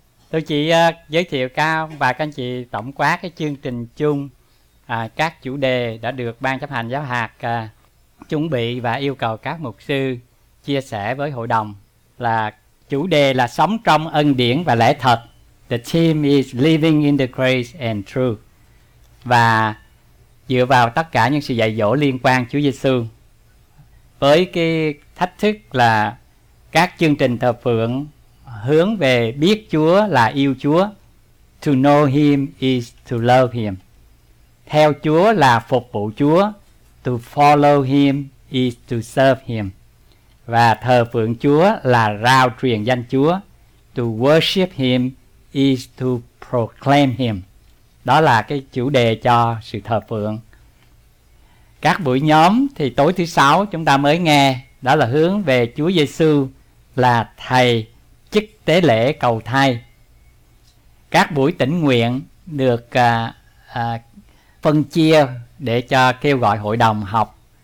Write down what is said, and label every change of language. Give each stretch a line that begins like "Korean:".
Vietnamese: Tôi chỉ giới thiệu cao và các anh chị tổng quát cái chương trình chung, các chủ đề đã được ban chấp hành giáo hạt chuẩn bị và yêu cầu các mục sư chia sẻ với hội đồng là chủ đề là sống trong ân điển và lẽ thật.
English: The theme is living in the grace and truth.
Vietnamese: Và dựa vào tất cả những sự dạy dỗ liên quan Chúa Giêsu với cái thách thức là các chương trình thờ phượng hướng về biết Chúa là yêu Chúa.
English: To know Him is to love Him.
Vietnamese: Theo Chúa là phục vụ Chúa.
English: To follow Him is to serve Him.
Vietnamese: Và thờ phượng Chúa là rao truyền danh Chúa.
English: To worship Him is to proclaim Him.
Vietnamese: Đó là cái chủ đề cho sự thờ phượng. Các buổi nhóm thì tối thứ sáu chúng ta mới nghe, đó là hướng về Chúa Giêsu là Thầy chức tế lễ cầu thai. Các buổi tỉnh nguyện được phân chia để cho kêu gọi hội đồng học.